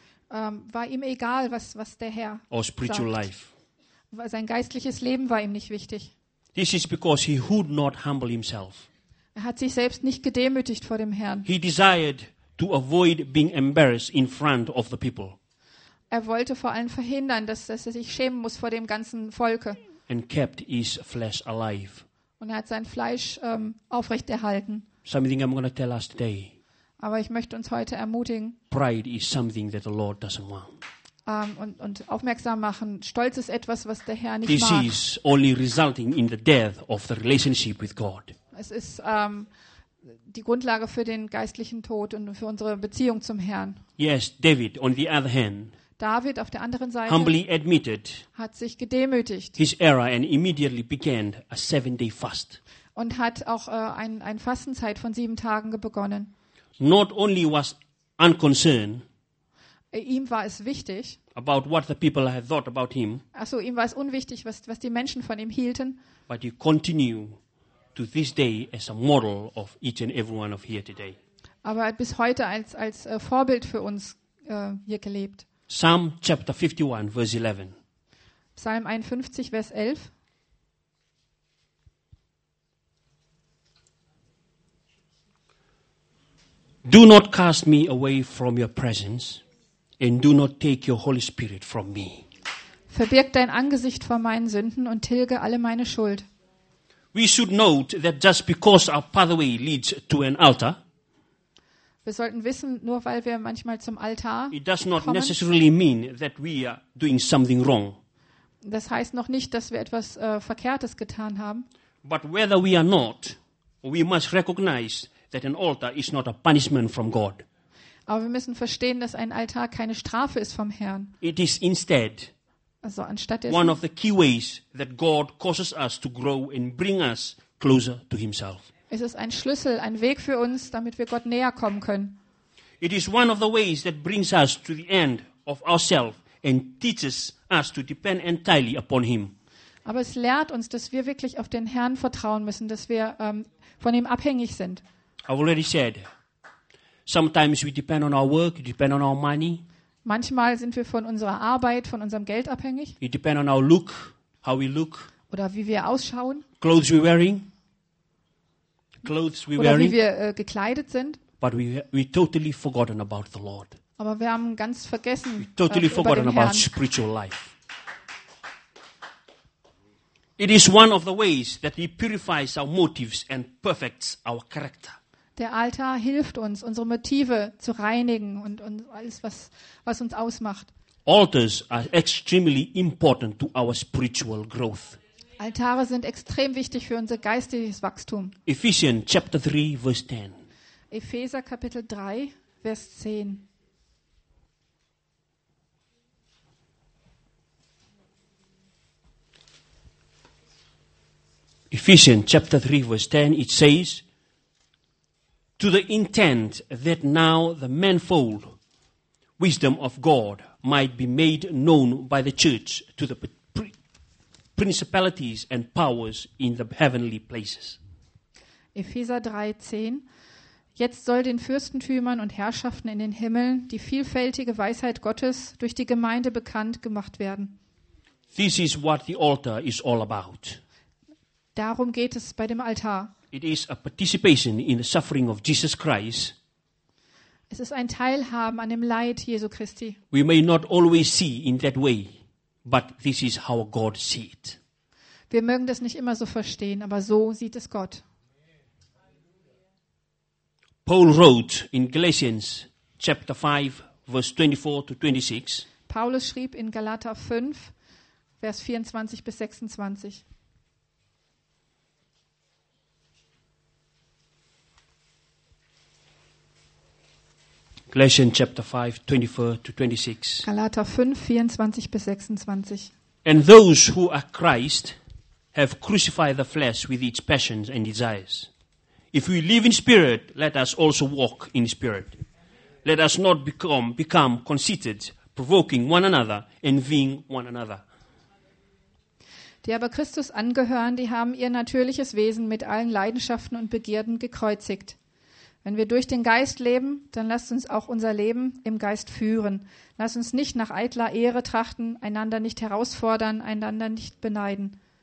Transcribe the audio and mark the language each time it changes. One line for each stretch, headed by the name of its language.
German: War ihm egal, was der Herr
English: or spiritual
German: sagt.
English: Life.
German: Sein geistliches Leben war ihm nicht wichtig.
English: This is because he would not humble himself.
German: Er hat sich selbst nicht gedemütigt vor dem Herrn.
English: He desired to avoid being embarrassed in front of the people.
German: Er wollte vor allem verhindern, dass er sich schämen muss vor dem ganzen Volke.
English: And kept his flesh alive.
German: Und er hat sein Fleisch aufrechterhalten.
English: Something I'm going to tell us today.
German: Aber ich möchte uns heute ermutigen.
English: Pride is something that the Lord doesn't want.
German: Und aufmerksam machen. Stolz ist etwas, was der Herr nicht
English: this
German: mag.
English: This is only resulting in the death of the relationship with God.
German: Es ist die Grundlage für den geistlichen Tod und für unsere Beziehung zum Herrn.
English: Yes, David. On the other hand.
German: David auf der anderen Seite
English: humbly admitted
German: hat sich gedemütigt
English: his error and immediately began a 7-day fast.
German: Und hat auch eine Fastenzeit von 7 Tagen begonnen.
English: Not only was unconcerned
German: ihm war es wichtig
English: about what the people had thought about him,
German: also ihm war es unwichtig, was die Menschen von ihm hielten,
English: but he continue to this day as a model of each and every one of here today.
German: Aber er hat bis heute als Vorbild für uns hier gelebt.
English: Psalm chapter 51 verse 11.
German: Psalm 51 Vers 11.
English: Do not cast me away from your presence and do not take your Holy Spirit from me.
German: Verbirg dein Angesicht vor meinen Sünden und tilge alle meine Schuld.
English: We should note that just because our pathway leads to an altar.
German: Wir sollten wissen, nur weil wir manchmal zum Altar kommen.
English: It does not necessarily mean that we are doing something wrong.
German: Das heißt noch nicht, dass wir etwas Verkehrtes getan haben.
English: But whether we are not, we must recognize that an altar is not a punishment from God.
German: Aber wir müssen verstehen, dass ein Altar keine Strafe ist vom Herrn.
English: It is instead
German: also anstatt dessen
English: one of the key ways that God causes us to grow and bring us closer to himself.
German: Es ist ein Schlüssel, ein Weg für uns, damit wir Gott näher kommen können.
English: It is one of the ways that brings us to the end of ourselves and teaches us to depend entirely upon him.
German: Aber es lehrt uns, dass wir wirklich auf den Herrn vertrauen müssen, dass wir von ihm abhängig sind.
English: I've already said, sometimes we depend on our work, we depend on our money.
German: Manchmal sind wir von unserer Arbeit, von unserem Geld abhängig.
English: We depend on our look, how we look.
German: Oder wie wir ausschauen.
English: Clothes we're wearing. Clothes we're
German: oder
English: wearing.
German: Wie wir gekleidet sind.
English: But we totally forgotten about the Lord.
German: Aber wir haben ganz vergessen
English: we totally forgotten
German: über den
English: about
German: Herrn.
English: Spiritual life. It is one of the ways that he purifies our motives and perfects our character.
German: Der Altar hilft uns, unsere Motive zu reinigen und alles, was uns ausmacht.
English: Altars are extremely important to our spiritual growth.
German: Altare sind extrem wichtig für unser geistiges Wachstum.
English: Ephesians chapter 3 verse 10.
German: Epheser Kapitel 3 Vers 10.
English: Ephesians chapter 3 verse 10 it says to the intent that now the manifold wisdom of God might be made known by the church to the principalities and powers in the heavenly places.
German: Epheser 3:10. Jetzt soll den Fürstentümern und Herrschaften in den Himmeln die vielfältige Weisheit Gottes durch die Gemeinde bekannt gemacht werden.
English: This is what the altar is all about.
German: Darum geht es bei dem Altar.
English: It is a participation in the suffering of Jesus Christ.
German: Es ist ein Teilhaben an dem Leid Jesu Christi.
English: We may not always see in that way. But this is how God sees it.
German: Wir mögen das nicht immer so verstehen, aber so sieht es Gott.
English: Paul wrote in Galatians chapter 5 verse 24 to 26.
German: Paulus schrieb in Galater 5 Vers 24 bis 26.
English: Galatians chapter 5, 24 to 26.
German: Galater 5, 24 bis 26.
English: And those who are Christ have crucified the flesh with its passions and desires. If we live in spirit, let us also walk in spirit. Let us not become conceited, provoking one another, envying one another.
German: Die aber Christus angehören, die haben ihr natürliches Wesen mit allen Leidenschaften und Begierden gekreuzigt. Wenn wir durch den Geist leben, dann lasst uns auch unser Leben im Geist führen. Lasst uns nicht nach eitler Ehre trachten, einander nicht herausfordern, einander nicht beneiden.